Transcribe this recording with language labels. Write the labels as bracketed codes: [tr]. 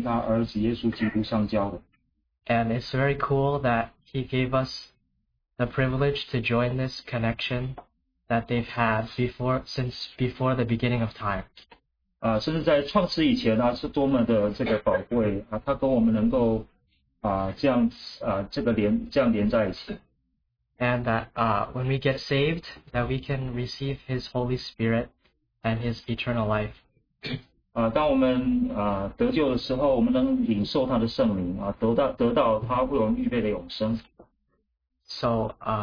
[zh] 约翰一书第一章第三节中间，使你们与我们相交，我们乃是与父并他儿子耶稣基督相交的。 [en] And it's very cool that he gave us the privilege to join this connection that they've had since before the beginning of time. [zh] 甚至在创世以前是多么的宝贵，他跟我们能够这样连在一起。 [en] And that when we get saved, that we can receive His Holy Spirit and His eternal life. [zh] 当我们得救的时候，我们能领受他的圣灵，得到他为我们预备的永生。 [en] So,